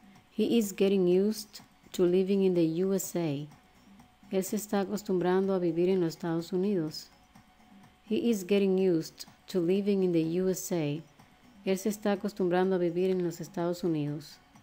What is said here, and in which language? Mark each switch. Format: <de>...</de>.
<en>He is getting used to living in the USA.</en> <es>Él se está acostumbrando a vivir en los Estados Unidos.</es> <en>He is getting used to living in the USA.</en> <es>Él se está acostumbrando a vivir en los Estados Unidos.</es>